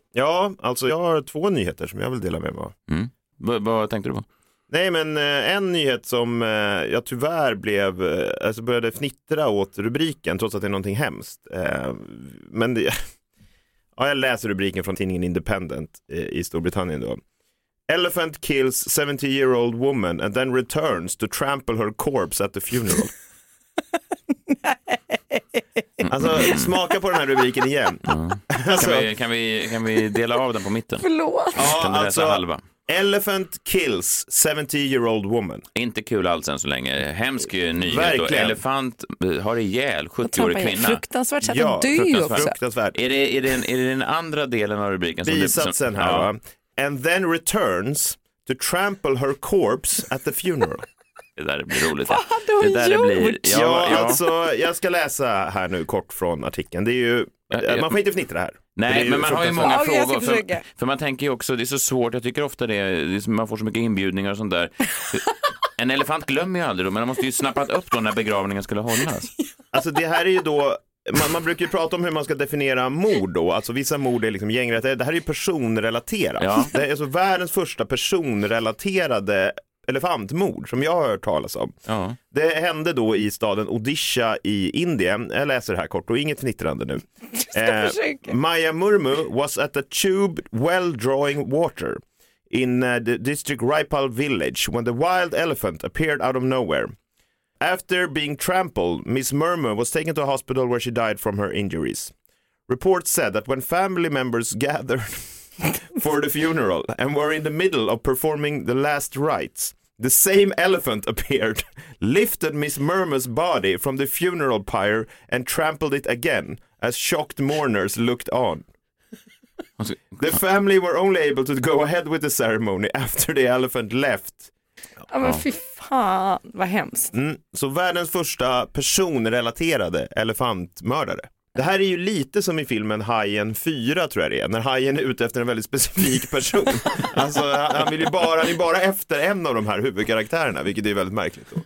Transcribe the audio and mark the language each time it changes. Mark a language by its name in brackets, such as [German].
[Swedish] Ja, alltså jag har 2 nyheter som jag vill dela med mig av. Mm. Vad tänkte du på? Nej, men en nyhet som jag tyvärr blev, alltså började fnittra åt rubriken, trots att det är någonting hemskt. Men det, ja, jag läser rubriken från tidningen Independent i Storbritannien då. [English] Elephant kills 70-year-old woman and then returns to trample her corpse at the funeral. [Swedish] Nej. Alltså, smaka på den här rubriken igen. Alltså, kan vi dela av den på mitten? Förlåt. Ja, kan du alltså, läsa halva? [English] Elephant kills 70-year-old woman. [Swedish] Inte kul alls än så länge. Hemsk nyhet. Verkligen. Då. Elefant har ihjäl 70-årig kvinna. Fruktansvärt sätt att dö också. Fruktansvärt. Är det den andra delen av rubriken? Bisatsen här, ja. [English] And then returns to trample her corpse at the funeral. [Swedish] Det där blir roligt. Vad hade hon gjort? Ja. Alltså, jag ska läsa här nu kort från artikeln. Det är ju, man får inte fnittra här. Nej, men man har ju många frågor. För man tänker ju också, det är så svårt. Jag tycker ofta det är, man får så mycket inbjudningar och sånt där. En elefant glömmer ju aldrig då, men man måste ju snappat upp då när begravningen skulle hållas. Alltså det här är ju då, man brukar ju prata om hur man ska definiera mord då. Alltså vissa mord är liksom gängrelaterade. Det här är ju personrelaterat. Ja. Det är alltså världens första personrelaterade elefantmord som jag har hört talas om. Ja. Det hände då i staden Odisha i Indien. Jag läser det här kort och inget fnittrande nu. [English] Maya Murmu was at a tube well drawing water in the district Raipal village when the wild elephant appeared out of nowhere. After being trampled, Miss Murmu was taken to a hospital where she died from her injuries. Reports said that when family members gathered for the funeral and were in the middle of performing the last rites, the same elephant appeared, lifted Miss Murmur's body from the funeral pyre and trampled it again as shocked mourners looked on. The family were only able to go ahead with the ceremony after the elephant left. [Swedish] Ja, men fy fan, vad hemskt. Så världens första personrelaterade elefantmördare. Det här är ju lite som i filmen Hajen 4, tror jag det är, när hajen är ute efter en väldigt specifik person. Alltså han vill ju bara, han är bara efter en av de här huvudkaraktärerna, vilket är väldigt märkligt då.